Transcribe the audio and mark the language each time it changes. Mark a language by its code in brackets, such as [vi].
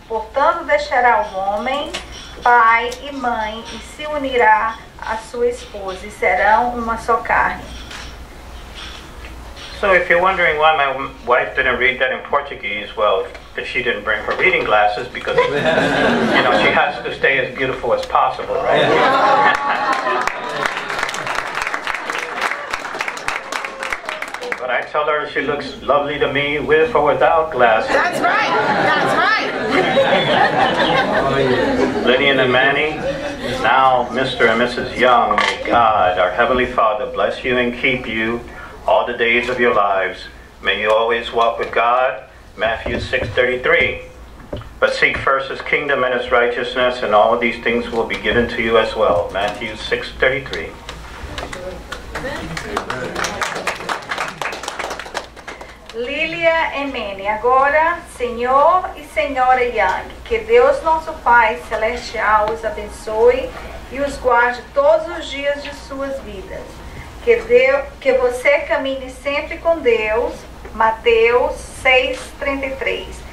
[pt] Portanto, deixará o homem, pai e mãe, e se unirá à sua esposa, e serão uma só carne. [en] So if you're wondering why my wife didn't read that in Portuguese, well, that she didn't bring her reading glasses because, you know, she has to stay as beautiful as possible, right? But I tell her she looks lovely to me with or without glasses. That's right. That's right. Lillian and Manny, now Mr. and Mrs. Young, may God, our Heavenly Father, bless you and keep you all the days of your lives. May you always walk with God, Matthew 6:33. But seek first his kingdom and his righteousness, and all of these things will be given to you as well, Matthew 6:33. [pt] Lilia e Manny, agora, Senhor e Senhora Young, que Deus nosso Pai Celestial os abençoe e os guarde todos os dias de suas vidas. Que você caminhe sempre com Deus, Mateus 6:33.